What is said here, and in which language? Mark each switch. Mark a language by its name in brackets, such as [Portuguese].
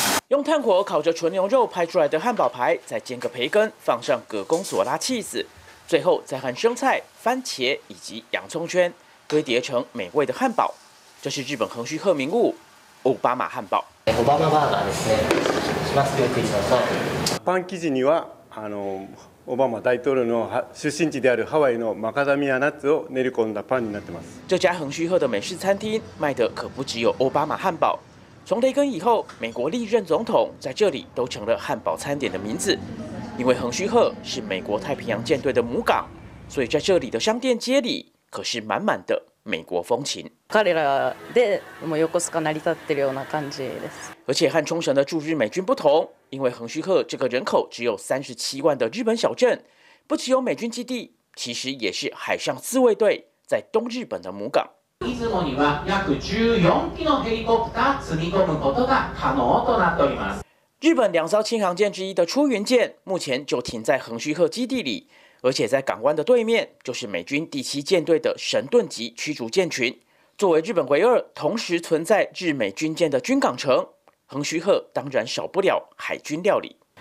[Chinese] 用炭火烤着纯牛肉拍出来的汉堡排，再煎个培根，放上葛公索拉起司，最后再和生菜、番茄以及洋葱圈堆叠成美味的汉堡，这是日本横须贺名物——奥巴马汉堡。 [Japanese] 奥巴马バーガーですね。しますよ、クリスマスは。パン生地にはオバマ大統領の出身地であるハワイのマカダミアナッツを練り込んだパンになってます。 [Chinese] 这家横须贺的美式餐厅卖的可不只有奥巴马汉堡。从雷根以后，美国历任总统在这里都成了汉堡餐点的名字，因为横须贺是美国太平洋舰队的母港，所以在这里的商店街里。可是满满的美国风情。 [Japanese] 彼らでもう横須賀成り立ってるような感じです。 [Chinese] 而且和冲绳的驻日美军不同，因为横须贺这个人口只有37万的日本小镇，不只有美军基地，其实也是海上自卫队在东日本的母港。 [Japanese] 出雲には約14機のヘリコプター積み込むことが可能となっております。 [Chinese] 日本两艘轻航舰之一的出云舰，目前就停在横须贺基地里。而且在港湾的对面就是美军第七舰队的神盾级驱逐舰群，作为日本唯二同时存在日美军舰的军港城，横须贺当然少不了海军料理。